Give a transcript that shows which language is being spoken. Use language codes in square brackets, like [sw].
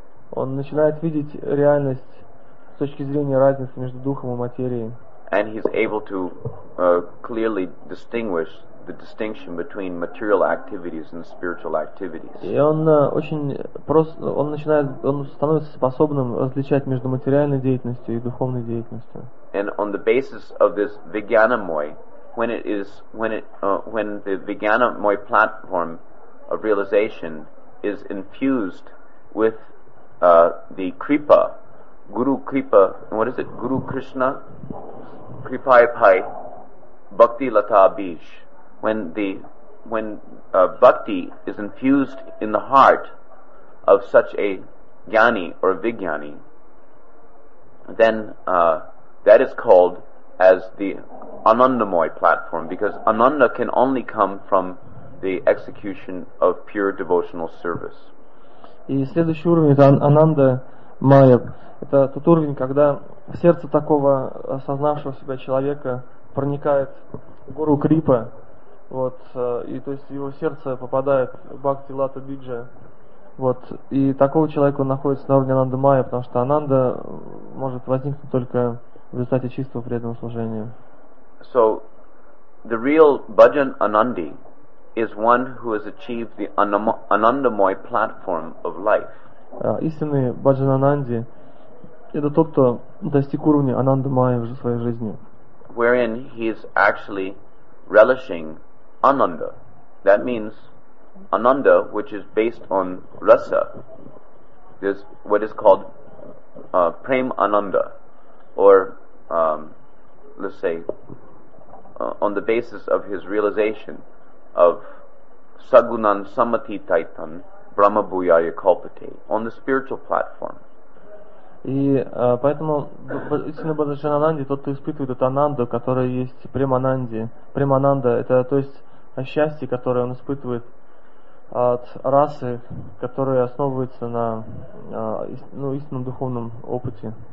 [ru] Он начинает видеть реальность с точки зрения разницы между духом и материей. [en] And he's able to clearly distinguish the distinction between material activities and spiritual activities. [ru] И он очень просто, он начинает, он становится способным различать между материальной деятельностью и духовной деятельностью. [en] And on the basis of this vijnanamoy, when the vijnanamoy platform of realization is infused with the kripa, guru kripa, what is it, [bn] guru krishna kripai pai bhakti lata bij, [en] when bhakti is infused in the heart of such a jnani or vijnani, then that is called as the anandamoy platform, because ananda can only come from the execution of pure devotional service. [ru] И следующий уровень — это ананда майя. Это тот уровень, когда в сердце такого осознавшего себя человека проникает гуру крипа, вот, и то есть в его сердце попадает бхакти лата биджа, вот, и такого человека находится на уровне ананда майя, потому что ананда может возникнуть только в результате чистого преданного служения. [en] So the real bhajan anandi is one who has achieved the anandamoy platform of life. [ru] Истинный bhajan ananda — это тот, кто достиг уровня анандамая в своей жизни. [en] Wherein he is actually relishing ananda. That means ananda, which is based on rasa. This what is called prem ananda, or let's say on the basis of his realization of [sa] sagunan samati taitan brahma bhuyaya kalpate, [en] on the spiritual platform. [ru] И поэтому истинный баджан ананди — тот, кто испытывает эту ананду, которая есть премананди. Премананда — это то есть счастье, которое он испытывает от расы, которая основывается на истинном духовном опыте.